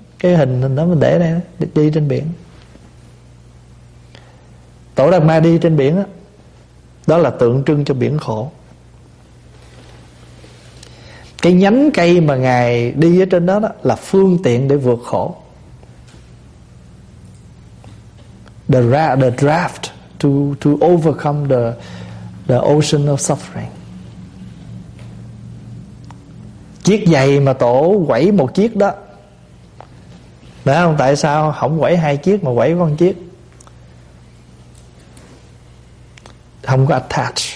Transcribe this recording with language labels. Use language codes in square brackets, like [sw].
[vi] Cái hình đó mình để đây đó, đi trên biển. Tổ Đạt Ma đi trên biển đó, đó là tượng trưng cho biển khổ. Cái nhánh cây mà ngài đi ở trên đó, đó là phương tiện để vượt khổ. [en] The draft to overcome the ocean of suffering. [vi] Chiếc giày mà tổ quẩy một chiếc đó, phải không? Tại sao không quẩy hai chiếc mà quẩy con chiếc? Không có attach.